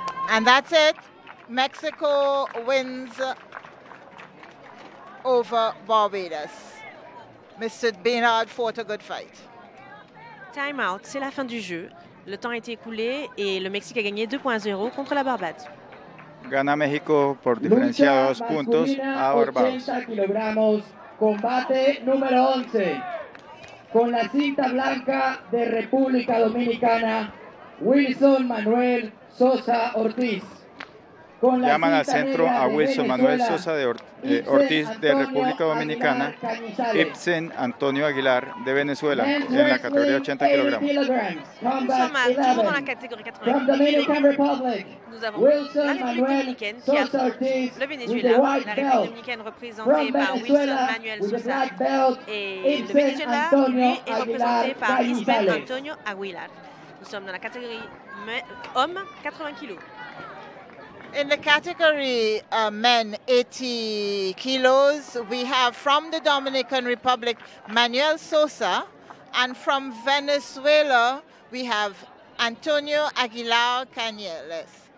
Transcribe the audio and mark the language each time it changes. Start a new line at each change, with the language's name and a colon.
English: And that's it. Mexico wins over Barbados. Mr. Bernard fought a good fight. Time out,
French: c'est la fin du jeu. Le temps a été écoulé et le Mexique a gagné 2-0 contre la Barbade.
Spanish: Gana México por diferencia de dos puntos a Barbados. 80 kilogramos, combate número 11. Con la cinta blanca de República Dominicana, Wilson Manuel Sosa Ortiz. Llaman al centro a Wilson Manuel Sosa de Ortiz de República Dominicana, Ibsen Antonio Aguilar de Venezuela, en la categoría 80 kilogramos.
French: Toujours en la catégorie 80 kilogramos. Nous avons Wilson la République Dominicaine, qui a le Venezuela, la République Dominicaine représentée par Wilson Manuel Sosa, et le Venezuela, lui, est représenté par Ibsen Antonio Aguilar. Nous sommes dans la catégorie hommes 80 kilos.
English: In the category men 80 kilos, we have from the Dominican Republic Manuel Sosa, and from Venezuela we have Antonio Aguilar Canales.